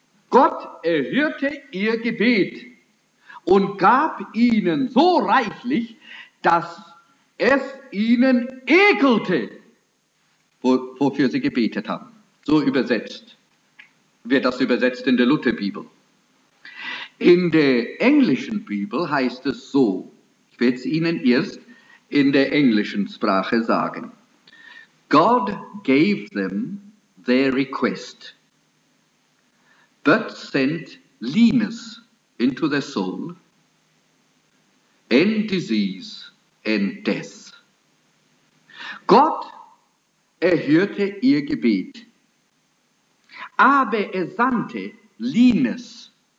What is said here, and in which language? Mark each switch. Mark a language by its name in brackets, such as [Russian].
[German] Gott erhörte ihr Gebet und gab ihnen so reichlich, dass es ihnen ekelte, wofür sie gebetet haben. So übersetzt wird das übersetzt in der Lutherbibel. In der englischen Bibel heißt es so, ich werde es Ihnen erst in der englischen Sprache sagen. [English] God gave them their request. But sent leanness into their soul, and disease and death. [German] Gott erhörte ihr Gebet, aber er sandte leanness.